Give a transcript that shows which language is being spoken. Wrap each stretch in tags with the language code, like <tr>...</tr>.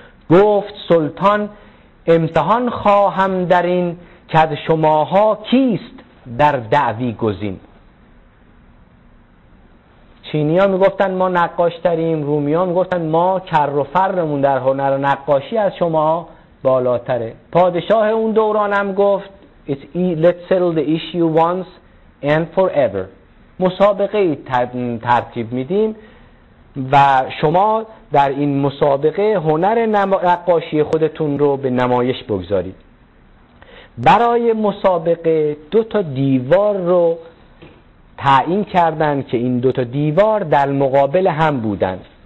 <fa>گفت سلطان امتحان خواهم در این که از شماها کیست در دعوی گزین. چینی ها می گفتن ما نقاشتریم، رومی ها می گفتن ما کر و فرمون در هنر نقاشی از شما بالاتره. پادشاه اون دوران هم گفت</fa> <en>let's settle the issue once and forever.</en> <fa>مسابقه ای ترتیب میدیم و شما در این مسابقه هنر نقاشی خودتون رو به نمایش بگذارید. برای مسابقه دو تا دیوار رو تعیین کردن که این دو تا دیوار در مقابل هم بودن</fa>